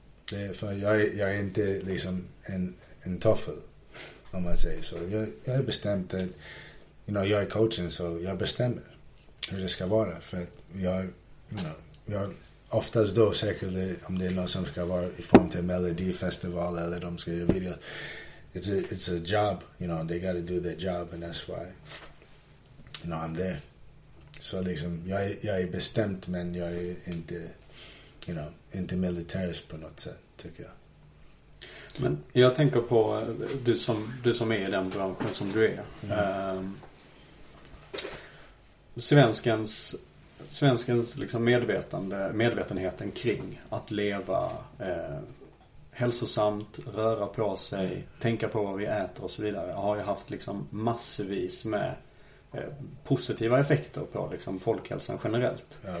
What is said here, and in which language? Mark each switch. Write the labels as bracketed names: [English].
[Swedish] Det är för jag är inte liksom en toffel, om man säger så. Jag är bestämt att, [English] you know, [Swedish] jag är coachen, så jag bestämmer hur det ska vara. För att jag oftast då säkert om det är någon som ska vara i form till Melodifestival eller de ska göra videor. [English] It's a job, you know, they got to do their job, and that's why, you know, I'm there. So, [Swedish] liksom, jag är bestämt, men jag är inte, [English] you know, [Swedish] inte militärisk på något sätt, tycker jag. Men jag tänker på du som är i den branschen som du är. Svenskens liksom medvetenheten kring att leva hälsosamt, röra på sig, tänka på vad vi äter och så vidare, har ju haft liksom massvis med positiva effekter på liksom folkhälsan generellt.